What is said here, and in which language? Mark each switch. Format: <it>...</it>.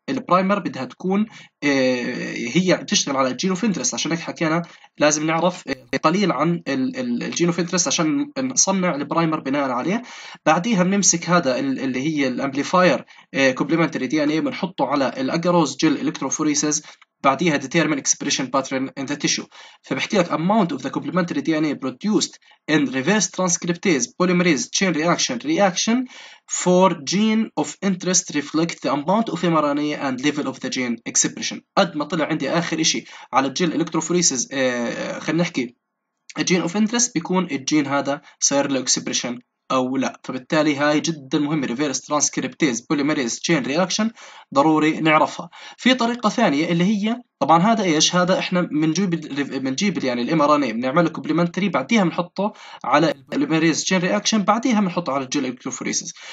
<ar>البرايمر بدها تكون هي تشتغل على الجين اوف انترست، عشان هيك حكينا لازم نعرف قليل عن الجين اوف انترست عشان نصنع البرايمر بناء عليه. بعديها بنمسك هذا اللي هي الامبليفاير كومبلمنتري دي ان اي بنحطه على الاجاروز جيل الكتروفوريسز، بعديها</ar> <en>determine expression pattern in the tissue.</en> <ar>فبحكي لك</ar> <en>amount of the complementary DNA produced in reverse transcriptase polymerase chain reaction reaction for gene of interest reflect the amount of mRNA and level of the gene expression.</en> <ar>قد ما طلع عندي آخر إشي على الجيل electrophoresis خلينا نحكي gene of interest بيكون الجين هذا صار له expression أو لا. فبالتالي هاي جدا مهمة ريفيرس ترانسكريبتيز بوليميريز تشين رياكشن، ضروري نعرفها. في طريقة ثانية اللي هي طبعا هذا ايش، هذا احنا بنجيب يعني الام ار ان اي بنعمله كومبلمنتري، بعديها بنحطه على البوليميريز تشين رياكشن، بعديها بنحطه على الجيل الكتروفوريسز.</ar>